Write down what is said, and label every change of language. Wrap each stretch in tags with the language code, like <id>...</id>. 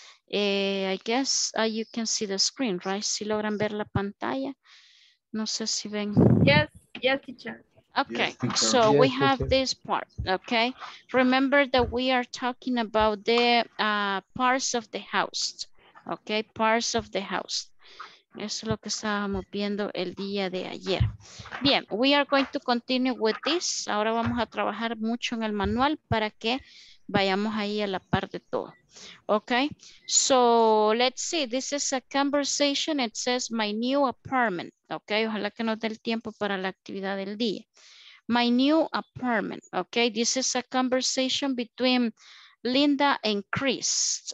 <en>I guess you can see the screen, right?</en> <es>Si logran ver la pantalla. No sé si ven.</es> <en>Yes, teacher. Okay, yes, teacher. So yes, we have teacher. This part, okay? Remember that we are talking about the parts of the house. Okay, parts of the house.</en> <es>Eso es lo que estábamos viendo el día de ayer.</es> <en>Bien, we are going to continue with this.</en> <es>Ahora vamos a trabajar mucho en el manual para que vayamos ahí a la par de todo.</es> <en>Okay, so let's see. This is a conversation. It says my new apartment.</en> <es>Okay, ojalá que nos dé el tiempo para la actividad del día.</es> <en>My new apartment. Okay, this is a conversation between Linda and Chris.</en>